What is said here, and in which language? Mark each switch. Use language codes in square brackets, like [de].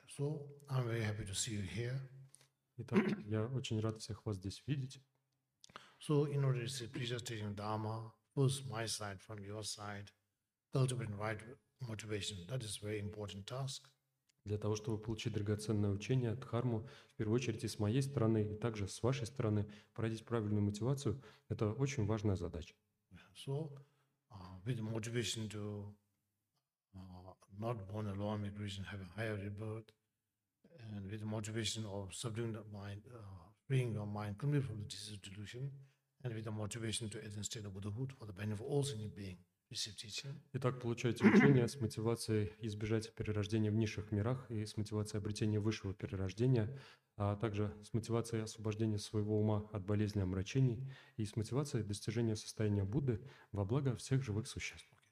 [en] So, I'm very happy to see you here. [ru] Итак, я очень рад всех вас здесь видеть. [en] So, in order to see presentation of Dharma, both my side from your side, cultivating right motivation, that is a very important task. [ru] Для того, чтобы получить драгоценное учение, дхарму, в первую очередь и с моей стороны, и также с вашей стороны, пройдите правильную мотивацию, это очень важная задача. [en] So, with motivation to not born a lower migration, have a higher rebirth, and with motivation of subduing the mind, freeing your mind completely from the disease of delusion, and with the motivation to attain state of Buddhahood for the benefit of all sentient beings. [ru] Итак, получаете учение с мотивацией избежать перерождения в низших мирах и с мотивацией обретения высшего перерождения, а также с мотивацией освобождения своего ума от болезни и омрачений и с мотивацией достижения состояния Будды во благо всех живых существ.